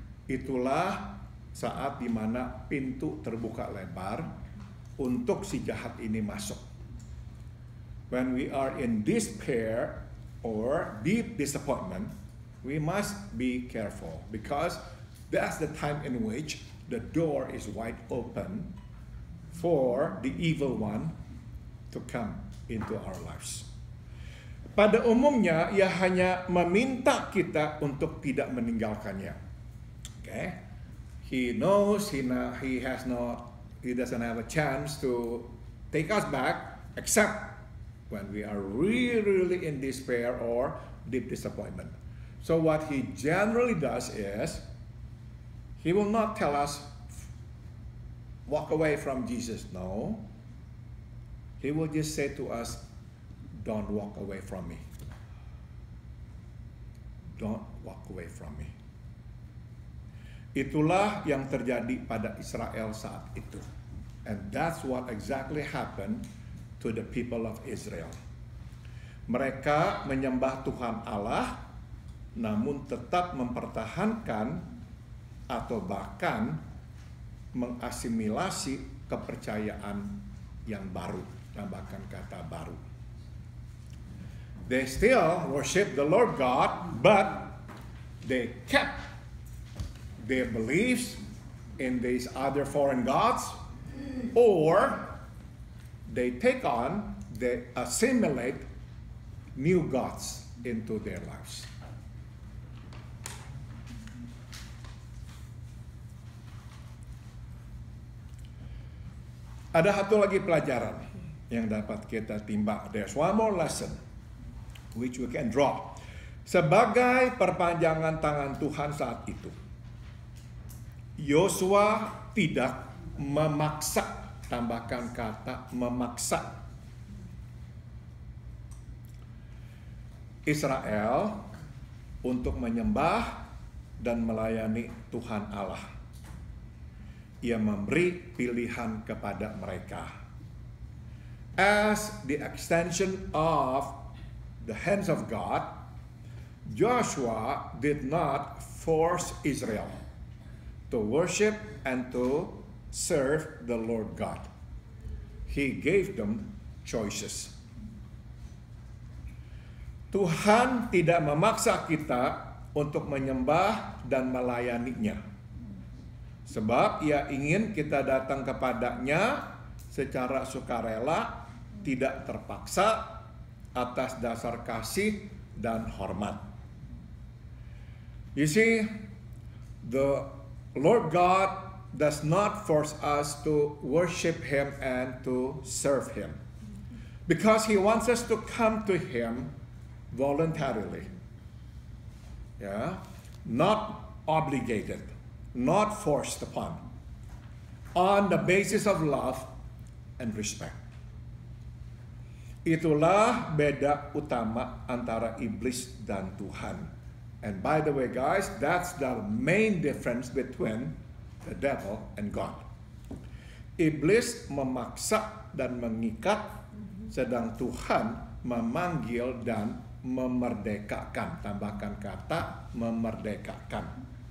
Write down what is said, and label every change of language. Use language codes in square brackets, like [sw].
[id] Itulah saat di mana pintu terbuka lebar untuk si jahat ini masuk. [en] When we are in despair or deep disappointment, we must be careful because that's the time in which the door is wide open for the evil one to come into our lives. [id] Pada umumnya, ia hanya meminta kita untuk tidak meninggalkannya. [en] Okay? He knows he doesn't have a chance to take us back except when we are really, really in despair or deep disappointment. So what he generally does is he will not tell us walk away from Jesus. No. He will just say to us, don't walk away from me. Don't walk away from me. [id] Itulah yang terjadi pada Israel saat itu. [en] And that's what exactly happened to the people of Israel. [id] Mereka menyembah Tuhan Allah, namun tetap mempertahankan atau bahkan mengasimilasi kepercayaan yang baru. Tambahkan kata baru. [en] They still worship the Lord God, but they kept their beliefs in these other foreign gods, or they take on, they assimilate new gods into their lives. [id] Ada satu lagi pelajaran yang dapat kita timbang. [en] There's one more lesson which we can draw. [id] Sebagai perpanjangan tangan Tuhan saat itu, Yosua tidak memaksa, tambahkan kata memaksa, Israel untuk menyembah dan melayani Tuhan Allah. Ia memberi pilihan kepada mereka. [en] As the extension of the hands of God, Joshua did not force Israel to worship and to serve the Lord God. He gave them choices. [id] Tuhan tidak memaksa kita untuk menyembah dan melayaninya, sebab ia ingin kita datang kepadanya secara sukarela, tidak terpaksa, atas dasar kasih dan hormat. [en] You see, the Lord God does not force us to worship Him and to serve Him, because He wants us to come to Him voluntarily. Yeah? Not obligated, not forced upon, on the basis of love and respect. [id] Itulah beda utama antara iblis dan Tuhan. [en] And by the way guys, that's the main difference between the devil and God. [id] Iblis memaksa dan mengikat, sedang Tuhan memanggil dan memerdekakan. Tambahkan kata memerdekakan.